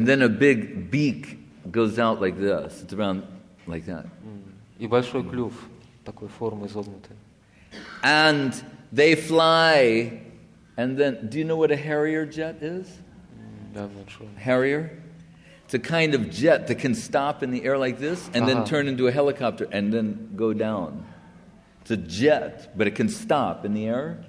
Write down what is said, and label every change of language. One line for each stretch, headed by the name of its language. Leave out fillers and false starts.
English: And then a big beak goes out like this. It's around like that.
Russian: И большой клюв такой формы изогнутый.
English: And they fly, and then, do you know what a harrier jet is? Yeah, I'm not sure. Harrier? It's a kind of jet that can stop in the air like this, and then turn into a helicopter, and then go down. It's a jet, but it can stop in the air,